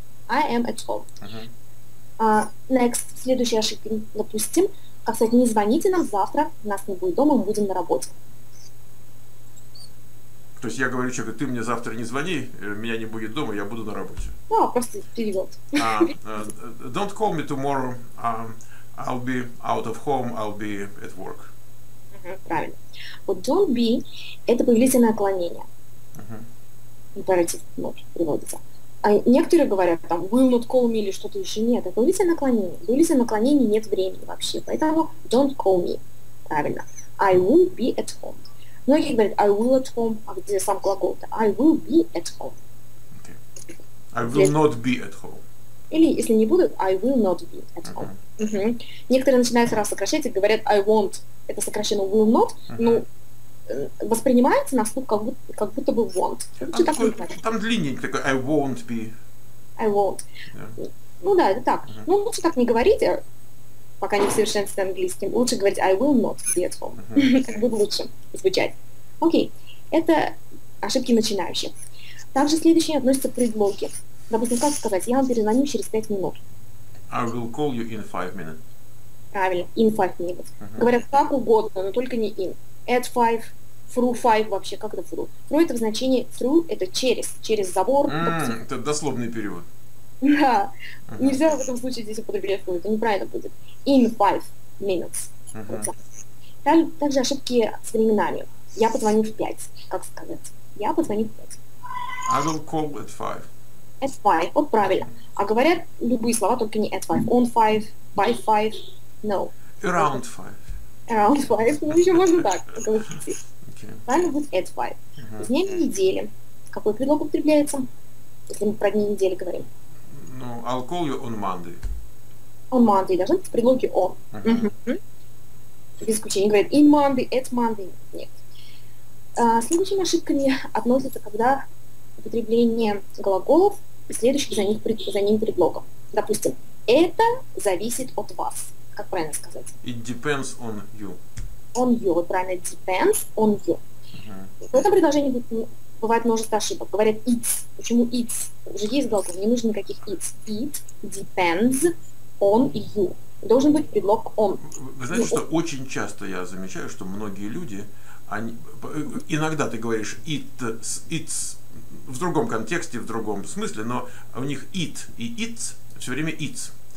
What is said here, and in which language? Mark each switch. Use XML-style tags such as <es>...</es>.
<en>at home. Uh-huh.</en> <ru>Next, следующая ошибка, допустим. А, кстати, не звоните нам завтра, нас не будет дома, мы будем на работе. То есть я говорю человеку, ты мне завтра не звони, меня не будет дома, я буду на работе. Ну, просто перевод.</ru> <en>Don't call me tomorrow, I'll be out of home, I'll be at work.</en> <ru>Uh-huh, правильно. Вот</ru> <en>don't be,</en> <ru>это повелительное наклонение. Uh-huh. Императив приводится. А некоторые говорят там</ru> <en>will not call me</en> <ru>или что-то еще. Нет, это повелительное наклонение. Повелительное наклонение нет времени вообще. Поэтому</ru> <en>don't call me.</en> <ru>Правильно.</ru> <en>I will be at home.</en> <ru>Многие говорят</ru> <en>I will at home,</en> <ru>а где сам глагол?</ru> <en>I will be at home. Okay. I will not be at home.</en> <ru>Или если не будут,</ru> <en>I will not be at home.</en> <ru>Некоторые начинают сразу сокращать и говорят</ru> <en>I won't.</en> <ru>Это сокращенно will not, но воспринимается на слух как будто бы won't. Лучше так сказать. Там длинненький такой</ru> <en>I won't be. I won't. Yeah.</en> <ru>Ну да, это так. Ну лучше так не говорить, пока не в совершенстве английским. Лучше говорить</ru> <en>I will not be at home.</en> <ru>Так будет лучше звучать. Окей. Это ошибки начинающих. Также следующие относятся к предлоге. Допустим, как сказать, я вам перезвоню через 5 минут.</ru> <en>I will call you in 5 minutes.</en> <ru>Правильно,</ru> <en>in 5 minutes.</en> <ru>Говорят как угодно, но только не in. At 5, through 5 вообще, как это through? Ну, это в значении through, это через, через забор. Это дословный перевод. Да, нельзя в этом случае здесь употреблять through, это неправильно будет.</ru> <en>In 5 minutes.</en> <ru>Также ошибки с временами. Я позвоню в 5, как сказать. Я позвоню в 5.</ru> <en>I will call at 5.</en> <ru>At five, вот правильно. А говорят любые слова, только не</ru> <en>at five. On five, by five, no. Around five. Around five,</en> <ru>ну еще можно так. Правильно будет at five. С дня недели. Какой предлог употребляется, если мы про дни недели говорим?</ru> <en>Ну, I'll call you on Monday. On Monday,</en> <ru>должны быть предлоги on. Без исключения. Говорят</ru> <en>in Monday, at Monday,</en> <ru>нет. Следующими ошибками относятся, когда употребление глаголов и следующих за, них, за ним предлогов. Допустим, это зависит от вас. Как правильно сказать?</ru> <en>It depends on you. On you,</en> <ru>вот правильно,</ru> <en>depends on you.</en> <ru>В этом предложении бывает множество ошибок. Говорят it's. Почему it's? Уже есть глагол, не нужно никаких it's.</ru> <en>It depends on you.</en> <ru>Должен быть предлог on. Вы знаете, что очень часто я замечаю, что многие люди, они, иногда ты говоришь it's в другом контексте, в другом смысле, но у них it и it's все время it's.</ru>